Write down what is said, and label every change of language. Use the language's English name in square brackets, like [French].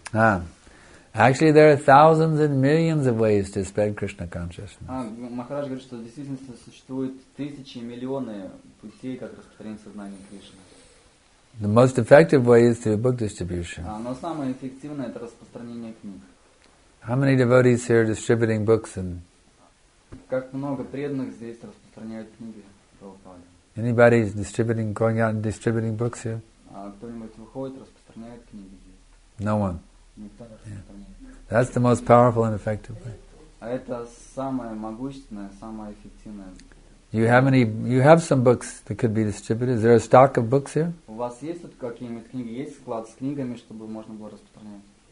[English] Ah, actually there are thousands and millions of ways to spread Krishna consciousness. [Russian] Maharaj говорит, что в действительности существует тысячи и миллионы путей, как распространить сознание Кришны. [English] The most effective way is through book distribution. [Russian] Но самое эффективное это распространение книг. [English] How many devotees here distributing books and? [Russian] Как много преданных здесь распространяют книги Прабхупады? [English] Anybody is distributing, going out and distributing books here? [Russian] Кто-нибудь выходит распространяет книги здесь? [English] No one. [Russian] Никто распространяет. [English] That's the most powerful and effective way. [Russian] А это самое могущественное, самое эффективное. [English] You have any? You have some books that could be distributed. Is there a stock of books here? [Russian] У вас есть тут какие-нибудь книги? Есть склад с книгами, чтобы можно было распространять?